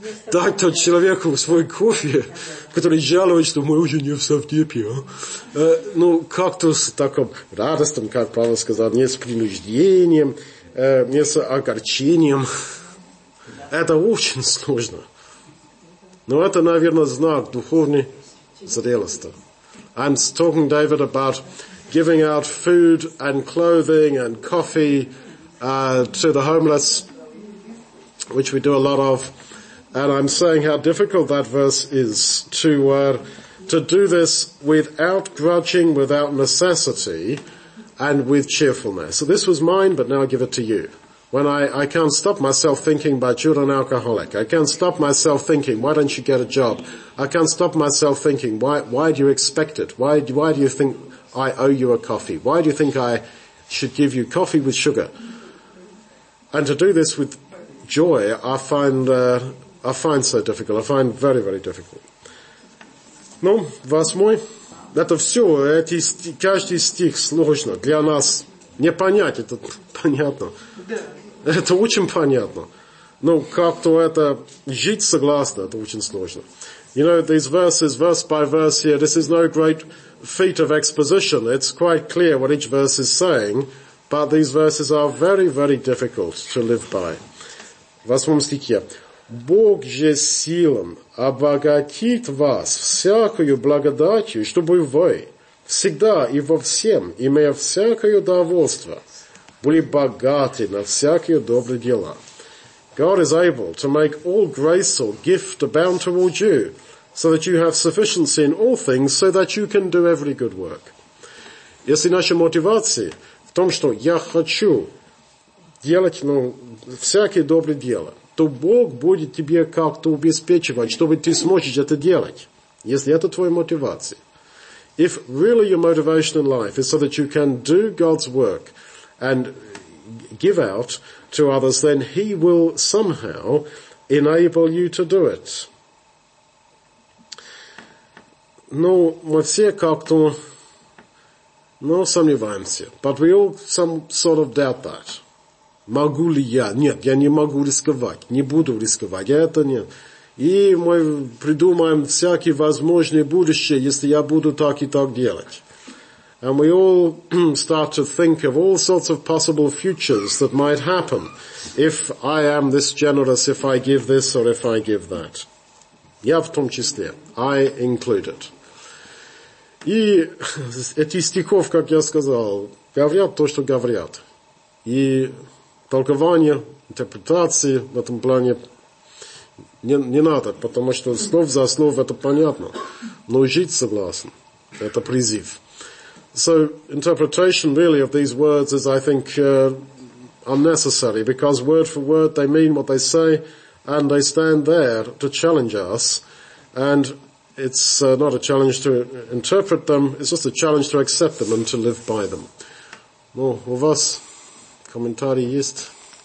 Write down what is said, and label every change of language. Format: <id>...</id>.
<ru>Дать тот человеку свой кофе, который жалует, что мы уже не в совдепе, а? Ну, как-то с таким радостным, как Павел сказал, не с принуждением. Не с огорчением. Это очень сложно. Но это, наверное, знак духовной зрелости.</ru> <en>I'm talking, David, about giving out food and clothing and coffee to the homeless, which we do a lot of. And I'm saying how difficult that verse is to to do this without grudging, without necessity, and with cheerfulness. So this was mine, but now I give it to you. When I can't stop myself thinking about you're an alcoholic. I can't stop myself thinking, why don't you get a job? I can't stop myself thinking, why do you expect it? Why do you think I owe you a coffee? Why do you think I should give you coffee with sugar? And to do this with joy, I find so difficult. I find very, very difficult.</en> <ru>Ну, восьмой. Это все, эти каждый стих сложно для нас. Не понять это понятно. Это очень понятно. Но как-то это жить согласно, это очень сложно.</ru> <en>You know, these verses, verse by verse here, this is no great feat of exposition. It's quite clear what each verse is saying, but these verses are very, very difficult to live by.</en> <ru>Восьмом стихе. Бог же силен обогатит вас всякою благодатью, чтобы вы всегда и во всем, имея всякое удовольствие, были богаты на всякие добрые дела.</ru> <en>God is able to make all grace or gift abound toward you, so that you have sufficiency in all things, so that you can do every good work.</en> <ru>Если наша мотивация в том, что я хочу делать всякие добрые дела, то Бог будет тебе как-то обеспечивать, чтобы ты сможешь это делать, если это твоя мотивация.</ru> <en>If really your motivation in life is so that you can do God's work and give out to others, then He will somehow enable you to do it.</en> <ru>Но мы все как-то сомневаемся.</ru> <en>But we all some sort of doubt that.</en> <ru>Могу ли я? Нет, я не могу рисковать. Не буду рисковать. Это нет. И мы придумаем всякие возможные будущее, если я буду так и так делать.</ru> <en>And we all start to think of all sorts of possible futures that might happen if I am this generous, if I give this or if I give that.</en> <ru>Я в том числе.</ru> <en>I included.</en> <ru>И эти стихов, как я сказал, говорят то, что говорят. И толкование, интерпретации в этом плане не надо, потому что слов за слов это понятно. Но жить согласен. Это призыв.</ru> <en>So interpretation really of these words is, I think, unnecessary, because word for word they mean what they say, and they stand there to challenge us, and it's not a challenge to interpret them, it's just a challenge to accept them and to live by them.</en> <ru>Ну, у вас комментарий есть?</ru>